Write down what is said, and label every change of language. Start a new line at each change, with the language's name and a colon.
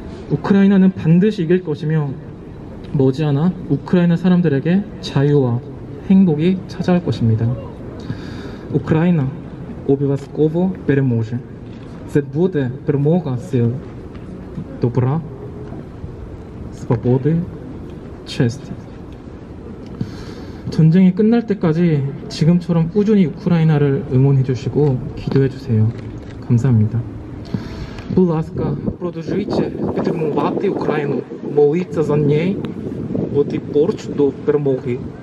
Korean: Україна는 반드시 이길 것이며, 머지않아 우크라이나 사람들에게 자유와 행복이 찾아올 것입니다.
Ukrainian: Україна обов'язково переможе. Це буде перемога сил. Добра, свободи, честі.
Korean: 전쟁이 끝날 때까지 지금처럼 꾸준히 우크라이나를 응원해주시고 기도해주세요. 감사합니다.
Ukrainian: Будь ласка, продовжуйте підтримувати Україну, молитися за неї, бути поруч до перемоги.